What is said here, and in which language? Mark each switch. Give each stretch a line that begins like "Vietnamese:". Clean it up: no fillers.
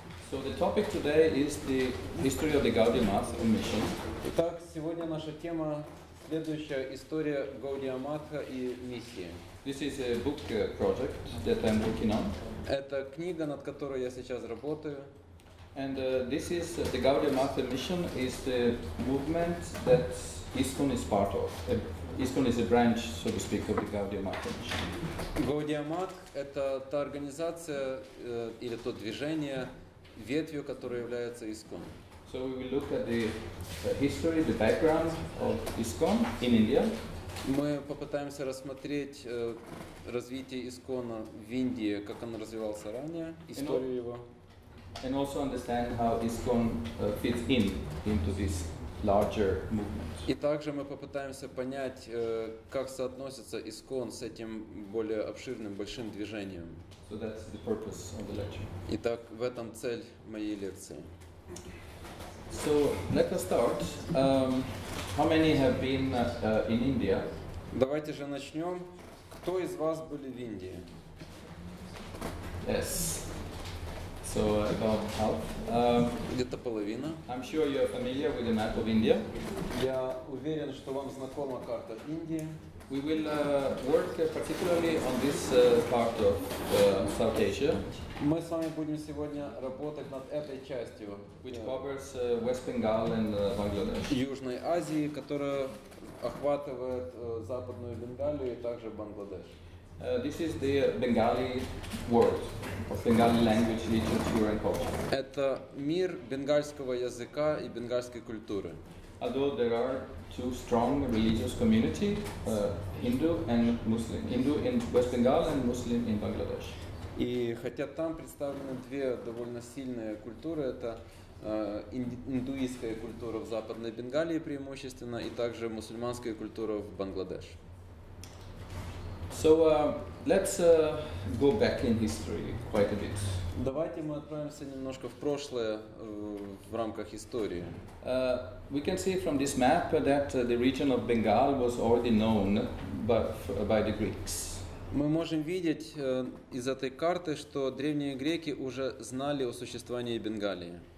English: So the topic today is the history of the Gaudium Mass in Mission.
Russian: Так,
Ukrainian: сьогодні
Russian: наша тема следующая история Gaudium Mass и миссии.
English: This is a book project that I'm working on.
Russian: Это книга, над которой я сейчас работаю.
English: And this is the Gaudium Mass in Mission is the movement that ISKCON is part of. ISKCON is a branch, so to speak, of the Gaudium Mass in Mission.
Russian: Gaudium Mass это та организация или то движение, ветвью, которая является ISKCON.
English: So we will look at the history, the background of ISKCON in India.
Russian: Мы попытаемся рассмотреть развитие ИСКОНа в Индии, как он развивался ранее, историю его.
English: And also understand how ISKCON fits in into this larger movement.
Russian: И также мы попытаемся понять, как соотносится ИСКОН с этим более обширным, большим движением.
English: So that's the purpose of the lecture.
Russian: Итак, в этом цель моей лекции.
English: So let us start. How many have been in India?
Russian: Давайте же начнём. Кто из вас были в Индии?
English: Yes. So about half.
Russian: Где-то половина.
English: I'm sure you're familiar with the map of India.
Russian: Я уверен, что вам знакома карта Индии.
English: We will work particularly on this part of South Asia.
Russian: Мы с вами будем сегодня работать над этой частью,
English: which covers West Bengal and Bangladesh.
Russian: Южной Азии, которая охватывает Западную Бенгалию и также Бангладеш.
English: This is the Bengali world, of Bengali language, literature and culture.
Russian: Это мир бенгальского языка и бенгальской культуры.
English: Although there are two strong religious community, Hindu and Muslim. Hindu in West Bengal and Muslim in Bangladesh.
Russian: И хотя там представлены две довольно сильные культуры, это индуистская культура в Западной Бенгалии преимущественно, и также мусульманская культура в Бангладеш.
English: So let's go back in history quite a bit.
Russian: Давайте мы отправимся немножко в прошлое в рамках истории.
English: We can see from this map that the region of Bengal was already known by the Greeks.
Russian: Мы можем видеть из этой карты, что древние греки уже знали о существовании Бенгалии.